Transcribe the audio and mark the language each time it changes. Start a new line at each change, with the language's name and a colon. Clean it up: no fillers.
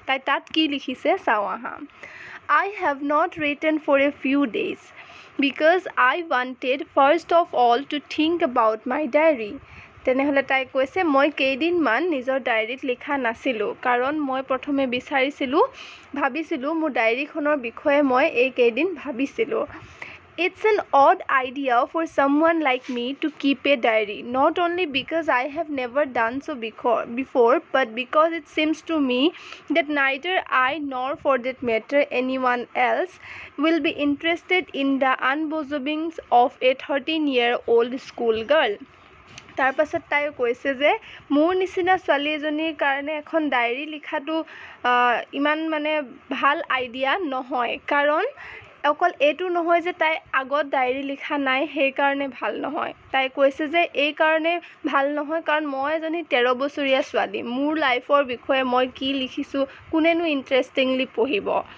Assamese: তাই তাত কি লিখিছে চাওঁ আহা।
English: I have not written for a few days because I wanted first of all to think about my diary.
Assamese: তেনেহ'লে তাই কৈছে মই কেইদিনমান নিজৰ ডায়েৰীত লিখা নাছিলোঁ কাৰণ মই প্ৰথমে ভাবিছিলোঁ মোৰ ডায়েৰীখনৰ বিষয়ে মই এইকেইদিন ভাবিছিলোঁ।
English: It's an odd idea for someone like me to keep a diary, not only because I have never done so before, but because it seems to me that neither I nor, for that matter, anyone else will be interested in the unbosomings of a 13-year-old schoolgirl.
Assamese: তাৰ পাছত তাই কৈছে যে মোৰ নিচিনা ছোৱালী এজনীৰ কাৰণে এখন ডায়েৰী লিখাটো ইমান মানে ভাল আইডিয়া নহয়, কাৰণ অকল এইটো নহয় যে তাই আগত ডায়েৰী লিখা নাই সেইকাৰণে ভাল নহয়। তাই কৈছে যে এইকাৰণে ভাল নহয় কাৰণ মই এজনী 13 বছৰীয়া ছোৱালী, মোৰ লাইফৰ বিষয়ে মই কি লিখিছোঁ কোনেনো ইণ্টাৰেষ্টিংলি পঢ়িব।